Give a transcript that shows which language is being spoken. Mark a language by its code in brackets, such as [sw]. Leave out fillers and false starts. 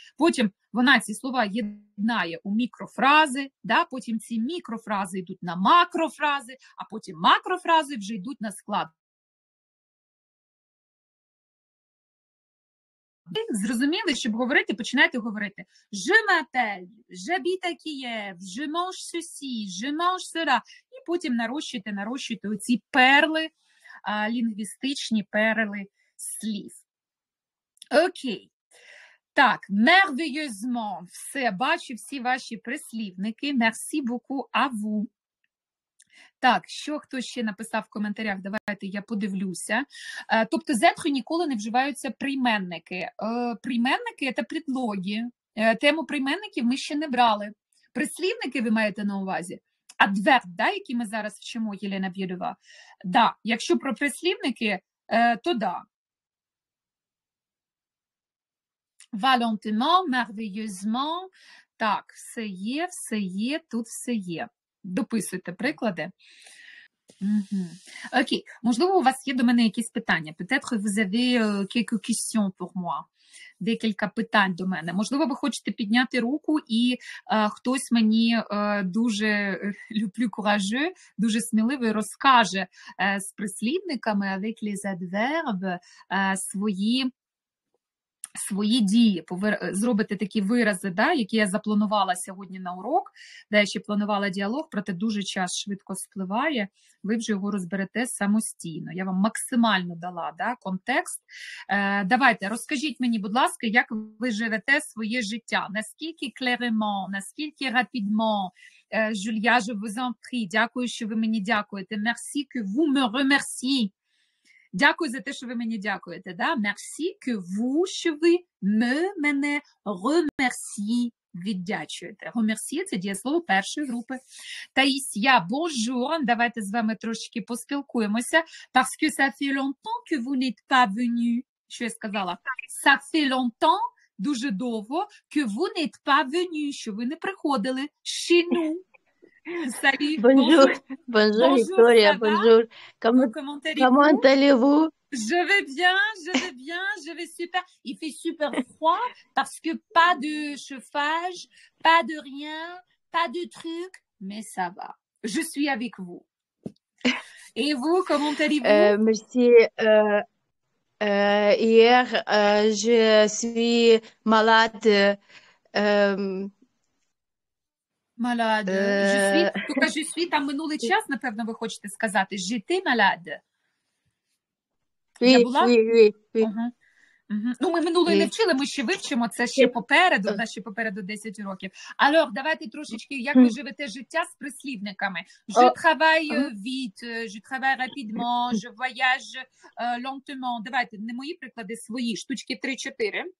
[uk] Потім вона ці слова єднає у мікрофрази, да, потім ці мікрофрази йдуть на макрофрази, а потім макрофрази вже йдуть на склад. Зрозуміли, щоб говорити, починайте говорити. [fr] Je m'appelle, j'habite à Kiev, je mange ceci, je mange cela. [uk] І потім нарощуйте оці перли, лінгвістичні перли слів. Окей. Так, merveilleusement. Все, бачу всі ваші прислівники. [fr] Merci beaucoup à vous. [uk] Так, що хто ще написав в коментарях, давайте я подивлюся. Тобто, зетхи ніколи не вживаються прийменники. Прийменники – це предлоги. Тему прийменників ми ще не брали. Прислівники ви маєте на увазі? Адверб, да, який ми зараз вчимо, Єлена Б'єрова? Да, якщо про прислівники, то да. [fr] Valentement, merveilleusement. [uk] Так, все є, тут все є. Дописуйте приклади. Угу. Окей. Можливо, у вас є до мене якісь питання. [fr] Peut-être vous avez quelques questions pour moi. [uk] Декілька питань до мене. Можливо, ви хочете підняти руку і хтось мені дуже люблю куражу, дуже сміливий розкаже з прислідниками [fr] avec les adverbes [uk] свої дії, зробити такі вирази, да, які я запланувала сьогодні на урок, де я ще планувала діалог, проте дуже час швидко спливає, ви вже його розберете самостійно. Я вам максимально дала, да, контекст. Давайте, розкажіть мені, будь ласка, як ви живете своє життя, наскільки clairement, наскільки rapidement. Julia, [fr] je vous en prie, [uk] дякую, що ви мені дякуєте. [fr] Merci que vous me remerciez. [uk] Дякую за те, що ви мені дякуєте, да? [fr] Merci que vous, [uk] що ви мене remercie, віддячуєте. Remercie – це дієслово першої групи. Таїсія, bonjour, давайте з вами трошечки поспілкуємося. [fr] Parce que ça fait longtemps que vous n'êtes pas venu. [uk] Що я сказала? [fr] Ça fait longtemps, [uk] дуже довго, [fr] que vous n'êtes pas venu, [uk] що ви не приходили [fr] chez nous. Salut, bonjour Victoria, bonjour. Comment allez-vous? Je vais bien, je vais super. Il fait super froid parce que pas de chauffage, pas de rien, pas de truc, mais ça va. Je suis avec vous. Et vous, comment allez-vous? Merci, hier, je suis malade. Malade. Je suis, [uk] там минулий час, напевно, ви хочете сказати. [fr] J'étais malade. [uk] Oui, я була? Oui. Угу. Ну, ми минулої не вчили, ми ще вивчимо це ще попереду, у нас ще попереду 10 років. Alors, давайте трошечки, як ви живете життя з прислівниками. [fr] Je travaille vite, je travaille rapidement, je voyage lentement. [uk] Давайте, не мої приклади, свої, штучки 3-4.